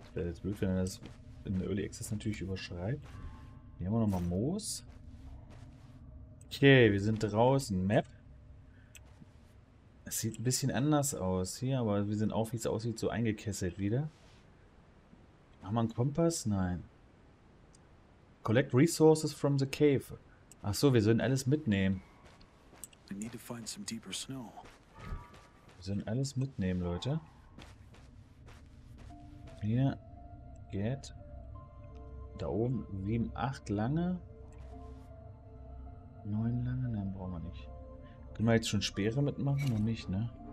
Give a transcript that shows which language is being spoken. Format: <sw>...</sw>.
<de>Wäre jetzt blöd, wenn er das in Early Access natürlich überschreibt. Hier haben wir nochmal Moos. Okay, wir sind draußen. Map. Es sieht ein bisschen anders aus hier, aber wir sind auch, wie es aussieht, so eingekesselt wieder. Haben wir einen Kompass? Nein.</de> <en>Collect resources from the cave.</en> <de>Ach so, wir sollen alles mitnehmen.</de> <en>We need to find some deeper snow.</en> <de>Wir sollen alles mitnehmen, Leute. Hier. Get. Da oben. 7, 8 lange. 9 lange? Nein, brauchen wir nicht. Können wir jetzt schon Speere mitmachen? Noch nicht, ne?</de>